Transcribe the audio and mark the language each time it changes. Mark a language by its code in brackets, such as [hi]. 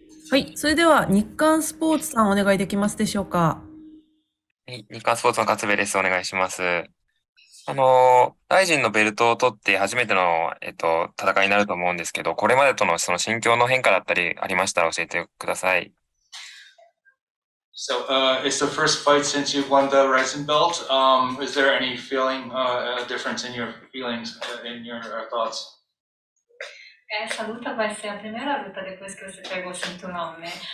[ja] はい、それでは日刊スポーツさんお願いできますでしょうか。はい、日刊スポーツの勝部です。お願いします。ライジンのベルトを取って初めての、戦いになると思うんですけど、これまでとのその心境の変化だったりありましたら教えてください。 [en] So, it's the first fight since you've won the Rizin belt. Is there any feeling, difference in your feelings, in your thoughts? [pt] Essa luta vai ser a primeira luta depois que você pegou o cinturão, né?